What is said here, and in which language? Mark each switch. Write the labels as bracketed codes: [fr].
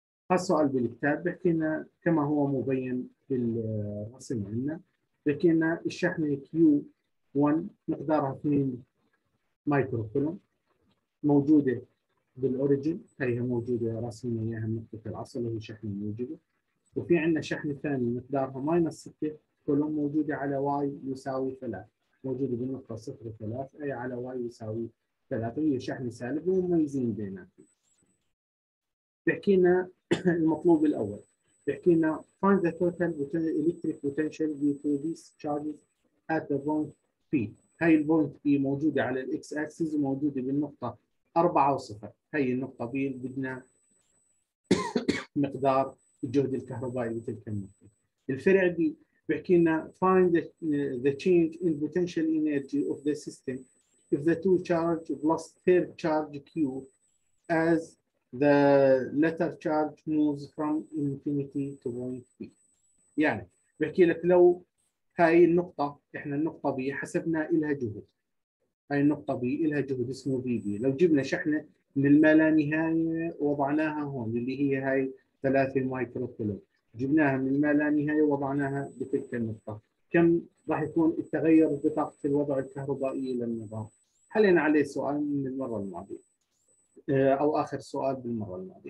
[ar] هالسؤال بالكتاب بحكي لنا كما هو مبين بالرسم عندنا، بحكي لنا الشحنة Q1 مقدارها 2 مايكرو كولوم موجودة بالأوريجين، هيها موجودة رسمنا إياها من نقطة الأصل اللي هي شحنة موجودة، وفي عندنا شحنة ثانية مقدارها ماينس 6 كولوم موجودة على Y يساوي 3، موجودة بالنقطة 0.3 أي على Y يساوي 3، هي شحنة سالبة ومميزين بيناتهم. بحكي لنا المطلوب الأول، بحكي لنا [en] find the total electric potential due to these charges at the point P. [ar] هاي البوينت P موجودة على الـ X-axis وموجودة بالنقطة 4.0، هاي النقطة B بدنا مقدار الجهد الكهربائي بتلك النقطة. الفرع B بحكي لنا [en] find the change in potential energy of the system if the two charge plus third charge Q as the latter charge moves from infinity to point P. [ar] يعني بحكي لك لو هاي النقطة، احنا النقطة B حسبنا إلها جهد، هاي النقطة B إلها جهد اسمه VB، لو جبنا شحنة من المالانهاية وضعناها هون اللي هي هاي 3 مايكرو كولوم، جبناها من المالانهاية وضعناها بتلك النقطة، كم راح يكون التغير بطاقة الوضع الكهربائي للنظام؟ حلينا عليه سؤال من المرة الماضية أو آخر سؤال بالمرة الماضية.